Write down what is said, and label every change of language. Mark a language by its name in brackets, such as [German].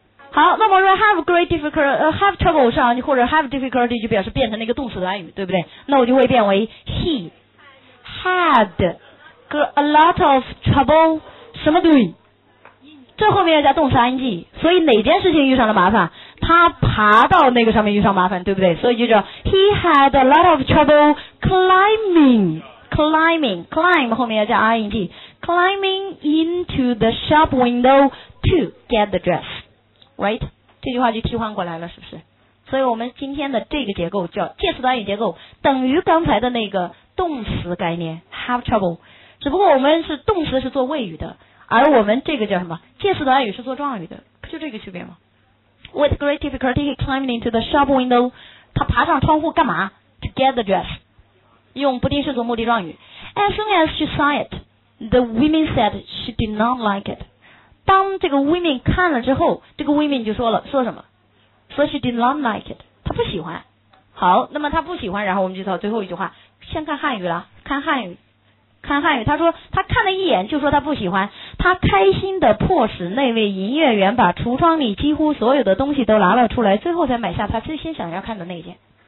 [Chinese] 好，那么说 [English] have great difficulty have trouble [Chinese] 上，或者 [English] have difficulty [Chinese] 就表示变成了一个动词短语，对不对？那我就会变为 [English] he hadA lot of trouble [Chinese] 什么 doing， 这后面要加动词 ing， 所以哪件事情遇上了麻烦，他爬到那个上面遇上麻烦，对不对？所以就叫 [English] he had a lot of trouble climbing climb [Chinese] 后面要加 [English] ing， climbing into the shop window to get the dress， right， [Chinese] 这句话就替换过来了，是不是？所以我们今天的这个结构叫介词短语结构，等于刚才的那个动词概念 [English] have trouble， [Chinese] 只不过我们是动词是做谓语的，而我们这个叫什么介词短语是做状语的，不就这个区别吗？ [English] With great difficulty he climbed into the shop window， [Chinese] 他爬上窗户干嘛？ [English] To get the dress， [Chinese] 用不定式做目的状语。 [English] As soon as she saw it the women said she did not like it， [Chinese] 当这个 women 看了之后，这个 women 就说了，说什么？说 [English] she did not like it， [Chinese] 她不喜欢。好，那么她不喜欢，然后我们就到最后一句话，先看汉语了，看汉语，看汉语，他说他看了一眼就说他不喜欢，他开心的迫使那位营业员把橱窗里几乎所有的东西都拿了出来，最后才买下他最先想要看的那件。